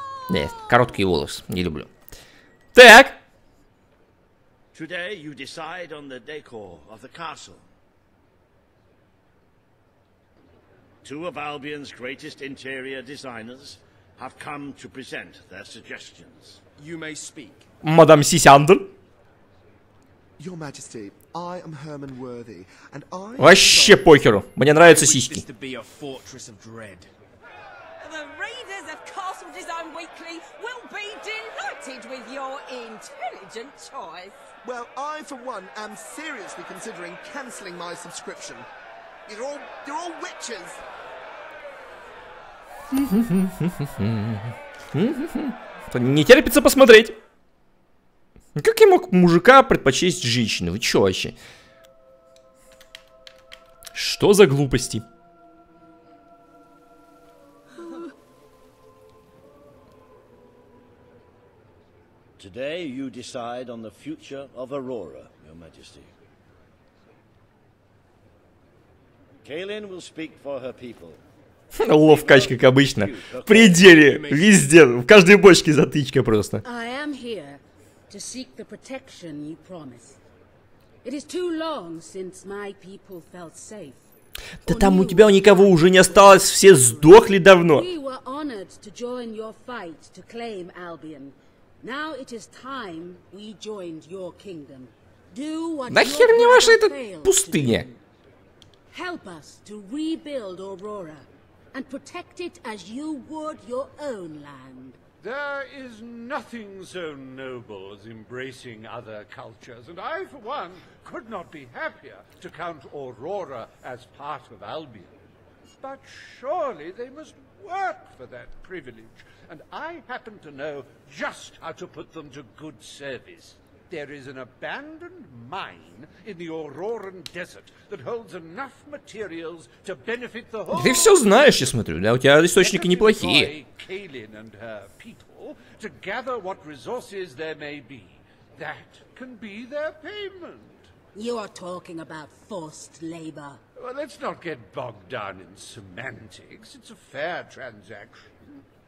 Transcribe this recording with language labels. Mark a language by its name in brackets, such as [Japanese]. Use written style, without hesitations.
[Russian] Нет, короткий волос, не люблю. Так. [English] Today you decide on the decor of the castle. Two of Albion's greatest interior designers have come to present their suggestions. You may speak. [Russian] Мадам Сисяндр. [English] Your Majesty, I am Herman Worthy, and I... [Russian] Вообще похеру, мне нравятся сиськи. [English] The readers of Castle Design Weekly will be delighted with your intelligent choice. Well, I for one am seriously considering cancelling my subscription. You're all witches. [Russian] Не терпится посмотреть. Как я мог мужика предпочесть женщину? Вы чё вообще? Что за глупости? [English] Today you decide on the future of Aurora, Your Majesty. Кейлин will speak for her people. [Russian] Ловкач, как обычно. В пределе, везде, в каждой бочке затычка просто. [English] I am here. To seek the protection you promised. It is too long since my people felt safe. [Russian] Да там у тебя никого уже не осталось, все сдохли давно. [English] We were honored to join your fight to claim Albion. Now it is time we joined your kingdom. Do what you [Russian] Нахер мне ваша эта пустыня? [English] Help us to rebuild Aurora and protect it as you would your own land. There is nothing so noble as embracing other cultures, and I, for one, could not be happier to count Aurora as part of Albion. But surely they must work for that privilege, and I happen to know just how to put them to good service. There is an abandoned mine in the Auroran desert that holds enough materials to benefit the whole... [Russian] Ты все знаешь, я смотрю, да, у тебя источники неплохие. [English] Кейлин and her people to gather what resources there may be. That can be their payment. You are talking about forced labor. Well, let's not get bogged down in semantics. It's a fair transaction.